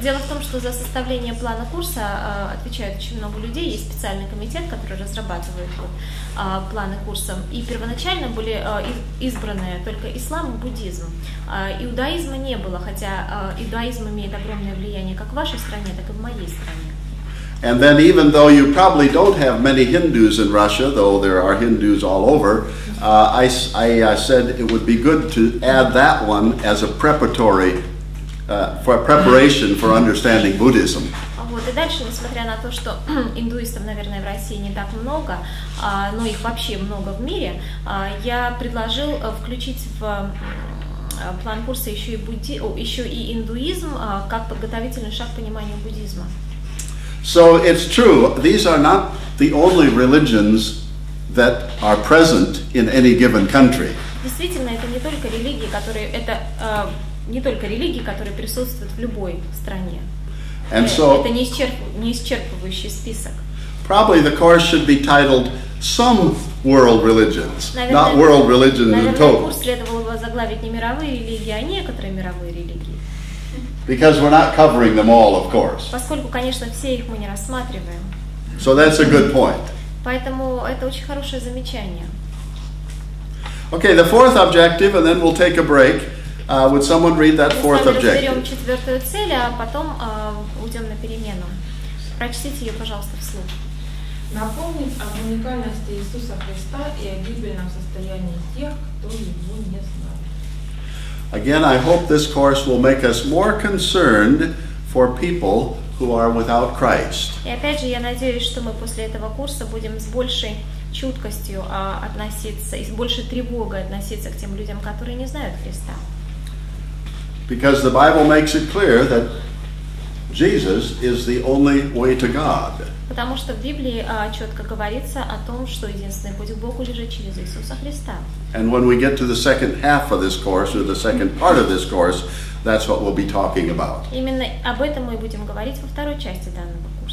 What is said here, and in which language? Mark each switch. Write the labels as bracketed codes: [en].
[ru] дело в том, что за составление плана курса отвечают очень много людей. Есть специальный комитет, который разрабатывает планы курса. И первоначально были избраны только ислам и буддизм. Иудаизма не было, хотя иудаизм имеет огромное влияние как в вашей стране, так и в моей стране. [en] And then even though you probably don't have many Hindus in Russia, though there are Hindus all over, I said it would be good to add that one as a preparatory, for preparation for understanding Buddhism. [ru] Вот, и дальше, несмотря на то, что индуистов, наверное, в России не так много, но их вообще много в мире, я предложил включить в план курса еще и, индуизм как подготовительный шаг к пониманию буддизма. [en] So it's true, these are not the only religions that are present in any given country. [ru] Действительно, это не только религии, которые это не только религии, которые присутствуют в любой стране. [en] And so [ru] это неисчерпывающий список. [en] Probably the course should be titled Some World Religions, not World Religions in total. [ru] Наверное, курс следовало бы заглавить не мировые религии, а некоторые мировые религии. [en] Because we're not covering them all, of course. [ru] Поскольку, конечно, все их мы не рассматриваем. [en] So that's a good point. [ru] Поэтому это очень хорошее замечание. [en] Okay, the fourth objective, and then we'll take a break. Would someone read that fourth objective? [ru] Мы разберем четвертую цель, а потом уйдем на перемену. Прочтите ее, пожалуйста, вслух. Напомнить об уникальности Иисуса Христа и о гибельном состоянии тех, кто его не знает. [en] Again, I hope this course will make us more concerned for people who are without Christ. [ru] И опять же, я надеюсь, что мы после этого курса будем с большей чуткостью относиться и с большей тревогой относиться к тем людям, которые не знают Христа. [en] Because the Bible makes it clear that Jesus is the only way to God. [ru] Потому что в Библии четко говорится о том, что единственный путь к Богу лежит через Иисуса Христа. [en] And when we get to the second half of this course, or the second part of this course, that's what we'll be talking about. [ru] Именно об этом мы будем говорить во второй части данного.